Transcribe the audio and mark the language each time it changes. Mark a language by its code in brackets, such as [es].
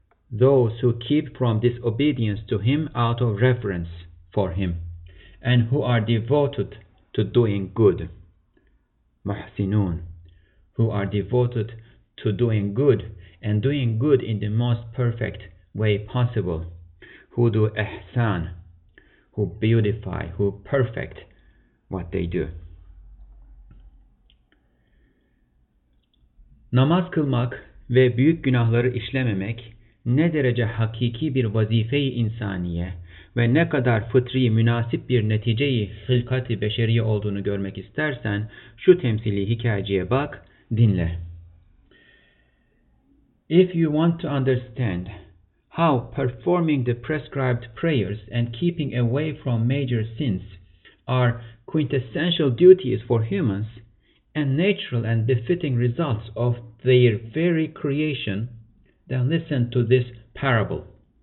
[en] Those who keep from disobedience to Him out of reverence for Him, and who are devoted to doing good. Muhsinun. Who are devoted to doing good, and doing good in the most perfect way possible, who do ihsan, who beautify, who perfect what they do. [tr] Namaz kılmak ve büyük günahları işlememek ne derece hakiki bir vazife-i insaniye ve ne kadar fıtri münasip bir netice-i hılkat-i beşeriye olduğunu görmek istersen şu temsili hikayeciye bak, dinle. [en] If you want to understand how performing the prescribed prayers and keeping away from major sins are quintessential duties for humans and natural and befitting results of their very creation, then listen to this parable.